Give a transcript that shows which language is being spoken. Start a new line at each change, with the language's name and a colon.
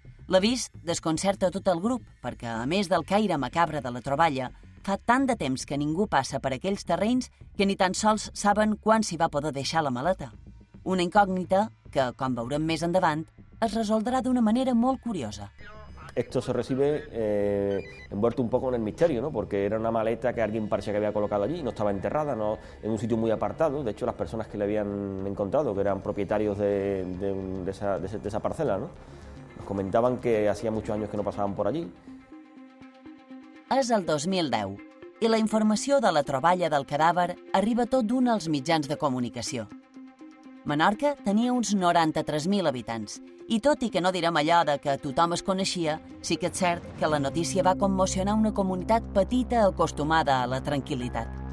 Catalan: L'avís desconcerta tot el grup, perquè, a més del caire macabre de la troballa, fa tant de temps que ningú passa per aquells terrenys que ni tan sols saben quan s'hi va poder deixar la maleta. Una incògnita que, com veurem més endavant, es resoldrà d'una manera molt curiosa.
Spanish: Esto se recibe envuelto un poco en el misterio, ¿no? Porque era una maleta que alguien parece que había colocado allí, no estaba enterrada, no, en un sitio muy apartado. De hecho, las personas que le habían encontrado, que eran propietarios de esa parcela, ¿no? Nos comentaban que hacía muchos años que no pasaban por allí.
Catalan: És el 2010 i la informació de la troballa del cadàver arriba tot d'un als mitjans de comunicació. Menorca tenia uns 93.000 habitants i tot i que no direm allò de que tothom es coneixia, sí que és cert que la notícia va commocionar una comunitat petita acostumada a la tranquil·litat.